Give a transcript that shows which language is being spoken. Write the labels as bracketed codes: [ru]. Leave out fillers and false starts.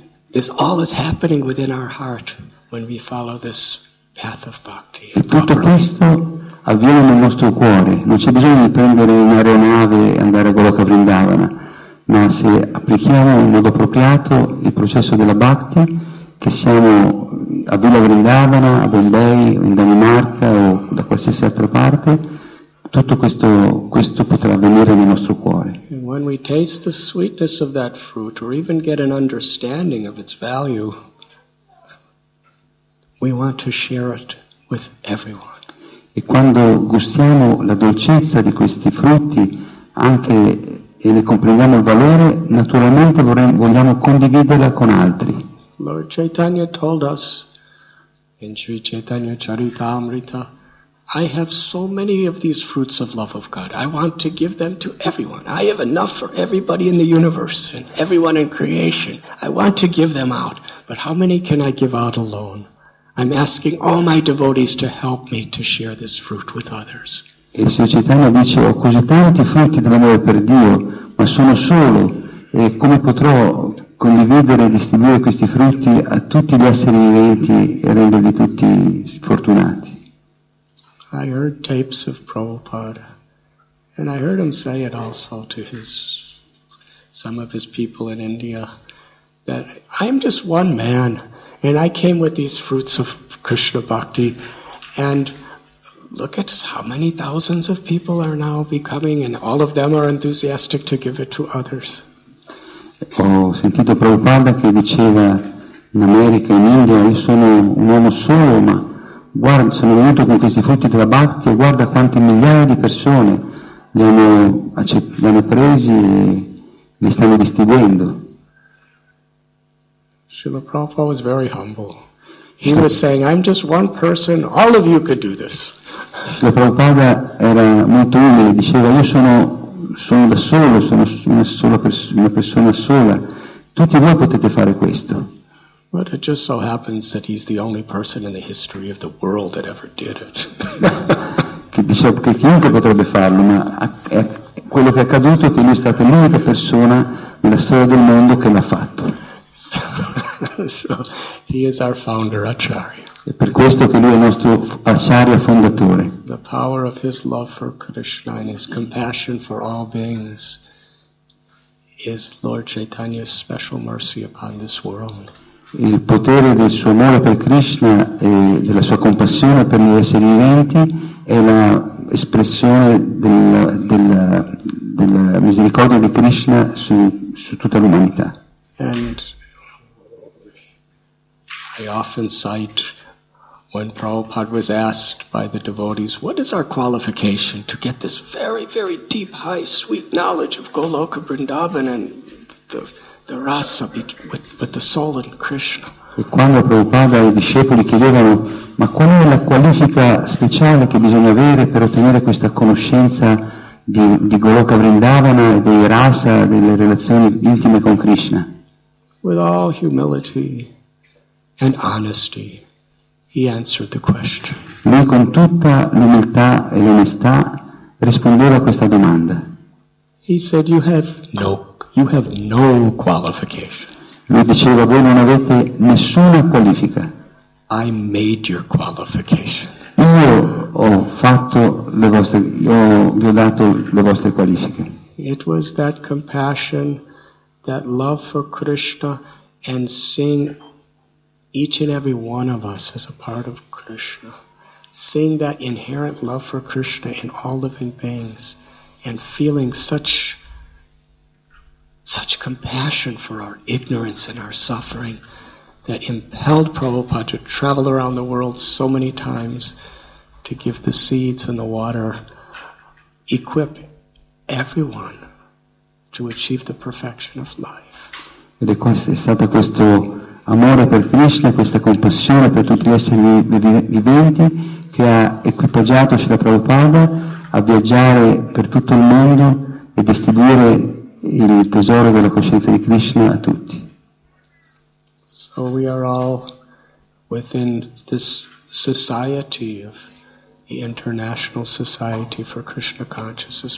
[en] This all is happening within our heart when we follow this path of bhakti. [it] E tutto questo avviene nel nostro cuore. Non c'è bisogno di prendere un'aeronave e andare a Goloka Vrindavana, ma se applichiamo in modo appropriato il processo della bhakti, che siamo a Villa Vrindavana, a Bombay, in Danimarca o da qualsiasi altra parte, tutto questo potrà avvenire nel nostro cuore. [en] And when we taste the sweetness of that fruit, or even get an understanding of its value, we want to share it with everyone. [it] E quando gustiamo la dolcezza di questi frutti, anche e ne comprendiamo il valore, naturalmente vogliamo condividerla con altri. [en] Lord Chaitanya told us in Sri Chaitanya Charitamrita, I have so many of these fruits of love of God. I want to give them to everyone. I have enough for everybody in the universe and everyone in creation. I want to give them out. But how many can I give out alone? I'm asking all my devotees to help me to share this fruit with others. [it] E Sri Chaitanya dice, ho così tanti frutti dell'amore per Dio, ma sono solo. E come potrò condividere e distribuire questi frutti a tutti gli esseri viventi e renderli tutti fortunati? [en] I heard tapes of Prabhupada, and I heard him say it also to some of his people in India, that I'm just one man, and I came with these fruits of Krishna Bhakti, and look at how many thousands of people are now becoming, and all of them are enthusiastic to give it to others. [it] Ho sentito Prabhupada che diceva in America, in India, io sono un uomo solo, ma guarda, sono venuto con questi frutti della bhakti e guarda quante migliaia di persone li hanno presi e li stanno distribuendo. [en] Srila Prabhupada was very humble. He was saying, I'm just one person, all of you could do this. [it] Srila Prabhupada era molto umile, diceva, io sono da solo, sono una persona sola, tutti voi potete fare questo. [en] But it just so happens that he's the only person in the history of the world that ever did it. [it] Che diceva che chiunque potrebbe farlo, ma quello che è accaduto è che lui è stata l'unica persona nella storia del mondo che l'ha fatto. [en] So he is our founder, Acharya. [it] E per questo che lui è il nostro Acharya fondatore. [en] The power of his love for Krishna and his compassion for all beings is Lord Chaitanya's special mercy upon this world. [it] Il potere del suo amore per Krishna e della sua compassione per gli esseri viventi è l'espressione della misericordia di Krishna su tutta l'umanità. [en] And I often cite when Prabhupada was asked by the devotees, what is our qualification to get this very, very deep, high, sweet knowledge of Goloka Vrindavan and the rasa with the soul in Krishna. [it] E quando Prabhupada e i discepoli chiedevano, ma qual è la qualifica speciale che bisogna avere per ottenere questa conoscenza di Goloka Vrindavana e dei rasa, delle relazioni intime con Krishna? [en] With all humility and honesty, he answered the question. [it] Lui con tutta l'umiltà e l'onestà rispondeva a questa domanda. [en] He said, You have no qualifications. [it] Lui diceva, voi non avete nessuna qualifica. [en] I made your qualification. [it] Io ho fatto le vostre, io vi ho dato le vostre qualifiche. [en] It was that compassion, that love for Krishna, and seeing each and every one of us as a part of Krishna. Seeing that inherent love for Krishna in all living beings, and feeling such compassion for our ignorance and our suffering that impelled Prabhupada to travel around the world so many times to give the seeds and the water, equip everyone to achieve the perfection of life. [it] Ed è stato questo amore per Krishna, questa compassione per tutti gli esseri viventi che ha equipaggiato Srila Prabhupada a viaggiare per tutto il mondo e e distribuire il tesoro della coscienza di Krishna a tutti. [en] So we are all within this society of the International Society for Krishna Consciousness.